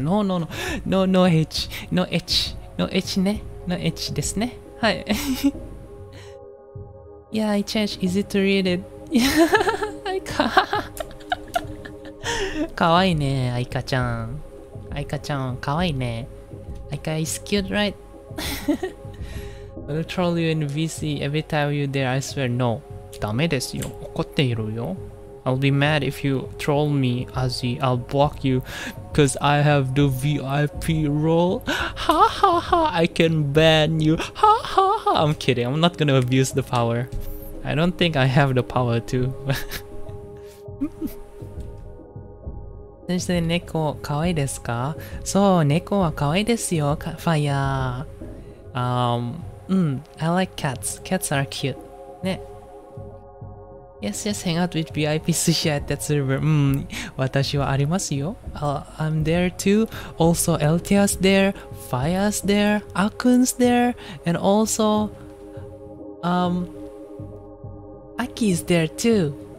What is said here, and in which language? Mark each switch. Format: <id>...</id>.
<en>No, no, no. No, no H. No H. No H ね。No H ですね。はい。 yeah, I changed. Is it to read it? I can't.</en> <ja>かわいいね、アイカちゃん。アイカちゃん、かわいいね。</ja> <en>アイカ is cute, right? I'll troll you in VC every time you're there, I swear no.</en> <ja>ダメですよ。怒っているよ。</ja> <en>I'll be mad if you troll me, Azzy. I'll block you because I have the VIP role. Ha ha ha, I can ban you. Ha ha ha. I'm kidding, I'm not gonna abuse the power. I don't think I have the power to.</en> <ja>先生、猫可愛いですか? そう、猫は可愛いですよ、ファイヤー。</ja> <en>うん、I like cats. Cats are cute. ね。 Yes, yes, hang out with VIP sushi at that server.</en> <ja>うん、私はありますよ。</ja> <en>I'm there too. Also, Eltia's there. Fire's there. Akun's there. And also, Aki's there too.</en>